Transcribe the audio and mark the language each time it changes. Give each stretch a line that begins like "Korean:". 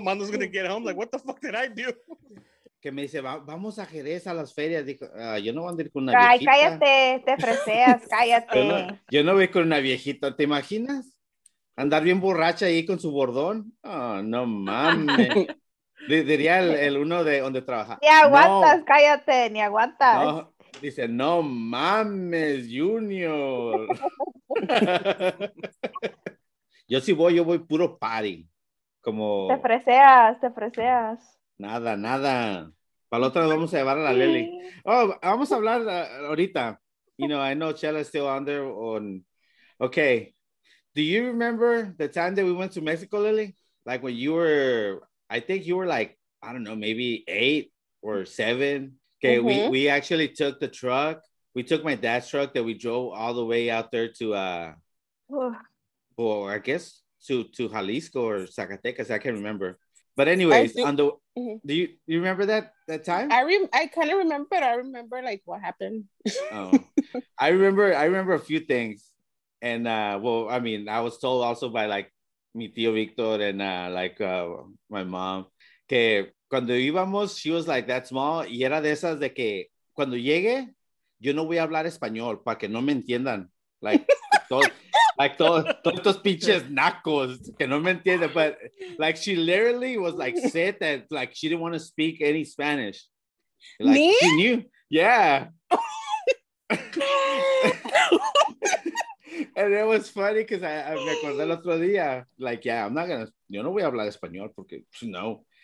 English: Mando's gonna get home like, what the fuck did I do?
Spanish: Que me dice, vamos a Jerez a las ferias. Dijo, yo no voy a andar con una viejita. Ay, cállate, te freseas, cállate. Yo no voy con una viejita, ¿te imaginas? Andar bien borracha ahí con su bordón. Oh, no mames. Diría el uno de donde trabaja. Ni aguantas, cállate, ni aguantas. No. Dice, no mames, Junior. Yo sí voy, puro party. Como... Te freseas. Nada. Para la otra nos vamos a llevar a la Leli. Oh, vamos a hablar ahorita.
English: You know, I know Chela is still under on... Okay. Do you remember the time that we went to Mexico, Lily? Like when you were, I think you were like, I don't know, maybe 8 or 7. Okay, mm-hmm. We actually took the truck. We took my dad's truck that we drove all the way out there to, to Jalisco or Zacatecas. I can't remember. But anyways, do you remember that time? I kind of remember, like what happened. Oh, I remember a few things. And, I was told also by, like,
Spanish: mi tío Víctor
English: and, my mom,
Spanish: que cuando íbamos,
English: she was, like, that small.
Spanish: Y era de esas de que cuando llegue, yo no voy a hablar español para que no me entiendan. Like, todos estos pinches nacos que no me entienden.
English: But, like, she literally was, like, said that, like, she didn't want to speak any Spanish. Like, ¿me? She knew. Yeah. And it was funny because I
Spanish: recordé el otro día, like, yeah, yo no voy a hablar español porque, no.